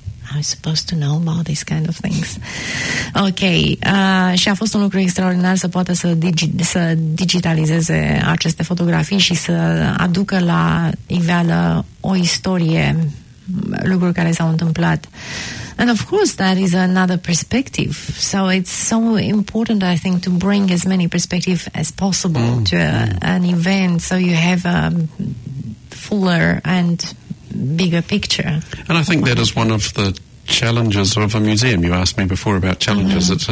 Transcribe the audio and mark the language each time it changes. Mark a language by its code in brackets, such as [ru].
[en] I'm supposed to know about these kind of things. Ok. [ro] Și a fost un lucru extraordinar să poată să digitalizeze aceste fotografii și să aducă la iveală o istorie, lucruri care s-au întâmplat. [en] And of course, that is another perspective. So it's so important, I think, to bring as many perspectives as possible to an event so you have a fuller and bigger picture. And I think that is one of the challenges of a museum. You asked me before about challenges. Mm-hmm.